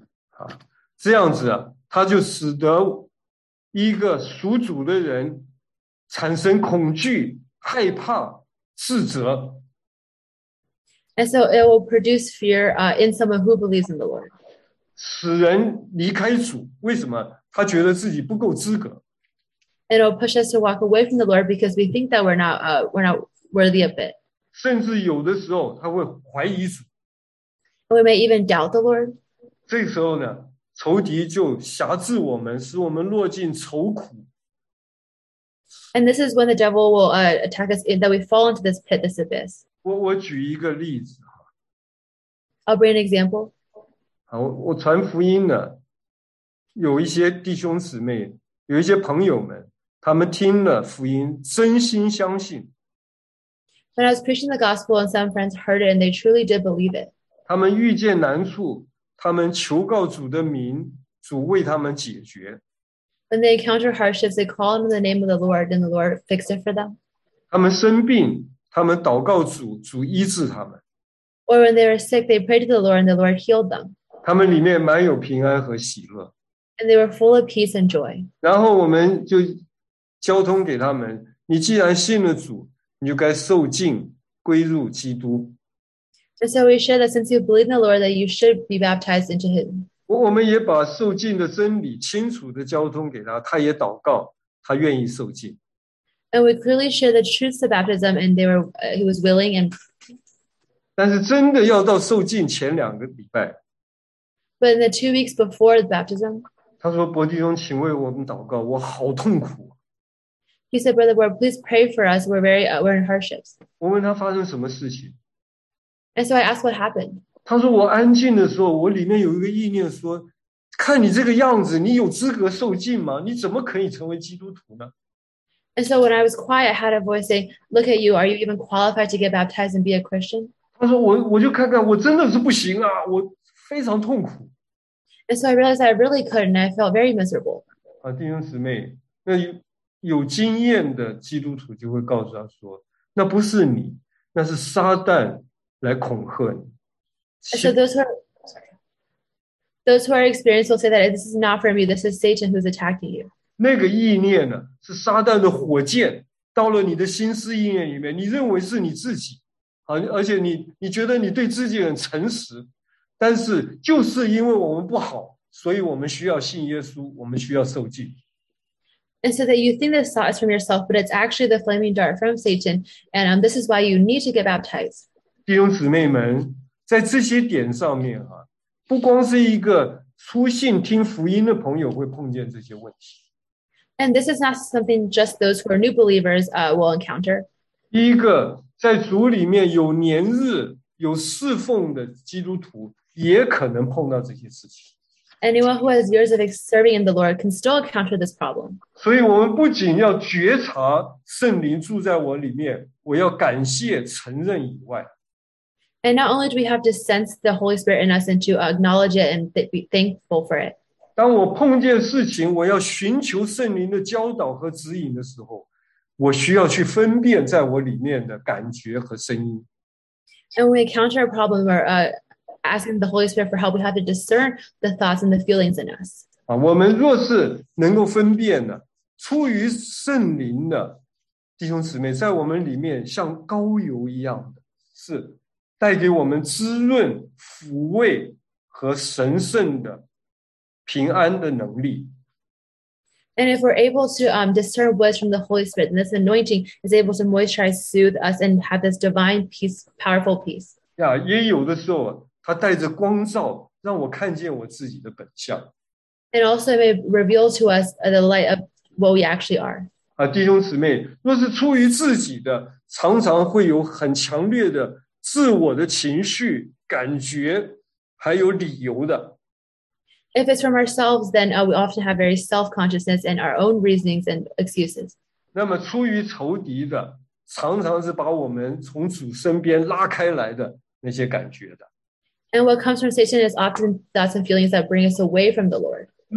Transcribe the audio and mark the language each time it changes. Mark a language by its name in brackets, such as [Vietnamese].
[Chinese] 好，这样子啊，他就使得一个属主的人产生恐惧、害怕、自责。 [English] And so it will produce fear in someone who believes in the Lord. [Chinese] 使人离开主，为什么？他觉得自己不够资格。 [English] It will push us to walk away from the Lord because we think that we're not worthy of it. [Chinese] 甚至有的时候他会怀疑主。 [English] We may even doubt the Lord. [Chinese] 这个时候呢，仇敌就挟制我们，使我们落进愁苦。 [English] And this is when the devil will attack us, that we fall into this pit, this abyss. [Chinese] 我举一个例子。 [English] I'll bring an example. [Chinese] 我传福音呢，有一些弟兄姊妹，有一些朋友们，他们听了福音，真心相信。 [English] When I was preaching the gospel and some friends heard it and they truly did believe it. [Chinese] 他们遇见难处，他们求告主的名，主为他们解决。 [English] When they encounter hardships, they call on the name of the Lord, and the Lord fixed it for them. [Chinese] 他们生病，他们祷告主，主医治他们。 [English] Or when they were sick, they prayed to the Lord, and the Lord healed them. [Chinese] 他们里面满有平安和喜乐。 [English] And they were full of peace and joy. [Chinese] 然后我们就交通给他们，你既然信了主，你就该受浸归入基督。 [English] And so we share that since you believe in the Lord, that you should be baptized into him. [Chinese] 我们也把受浸的真理清楚地交通给他，他也祷告，他愿意受浸。 [English] And we clearly share the truths of baptism, and he was willing. And [Chinese] 但是真的要到受浸前两个礼拜。 [English] But in the 2 weeks before the baptism, [Chinese] 他说：“伯弟兄，请为我们祷告，我好痛苦。” [English] He said, "Brother Ward, please pray for us. We're in hardships." [Chinese] 我问他发生什么事情。 [English] And so I asked what happened. [Chinese] 他说：“我安静的时候，我里面有一个意念说，看你这个样子，你有资格受浸吗？你怎么可以成为基督徒呢？” [English] And so when I was quiet, I had a voice saying, "Look at you. Are you even qualified to get baptized and be a Christian?" [Chinese] 他说：“我就看看，我真的是不行啊，我。” 非常痛苦。 [English] And so I realized I really couldn't, and I felt very miserable. [Chinese] 弟兄姊妹，那有经验的基督徒就会告诉他说，那不是你，那是撒旦来恐吓你。 [English] So those who are experienced will say that this is not from you, this is Satan who's attacking you. [Chinese] 那个意念呢，是撒旦的火箭，到了你的心思意念里面，你认为是你自己，而且你觉得你对自己很诚实。但是就是因为我们不好，所以我们需要信耶稣，我们需要受浸。 [English] And so that you think this thought is from yourself, but it's actually the flaming dart from Satan, and this is why you need to get baptized. [Chinese] 弟兄姊妹们，在这些点上面啊，不光是一个初信听福音的朋友会碰见这些问题。 [English] And this is not something just those who are new believers will encounter. [Chinese] 一个在主里面有年日有侍奉的基督徒也可能碰到这些事情。 [English] Anyone who has years of serving in the Lord can still encounter this problem. [Chinese] 所以我们不仅要觉察圣灵住在我里面，我要感谢承认以外。 [English] And not only do we have to sense the Holy Spirit in us and to acknowledge it and be thankful for it. [Chinese] 当我碰见事情，我要寻求圣灵的教导和指引的时候，我需要去分辨在我里面的感觉和声音。 [English] And when we encounter a problem or asking the Holy Spirit for help, we have to discern the thoughts and the feelings in us. [Chinese] 我们若是能够分辨呢，出于圣灵的弟兄姊妹，在我们里面像膏油一样的，是带给我们滋润、抚慰和神圣的平安的能力。 [English] And if we're able to discern what's from the Holy Spirit, and this anointing is able to moisturize, soothe us, and have this divine peace, powerful peace. [Chinese] Yeah, 也有的时候, 它带着光照, 让我看见我自己的本相。 [English] And also may reveal to us the light of what we actually are. [Chinese] 弟兄姊妹, 若是出于自己的, 常常会有很强烈的自我的情绪, 感觉, 还有理由的。 [English] If it's from ourselves, then we often have very self-consciousness and our own reasonings and excuses. [Chinese] 那么出于仇敌的, 常常是把我们从主身边拉开来的。那些感觉的, [English] and what comes from Satan is often thoughts and feelings that bring us away from the Lord.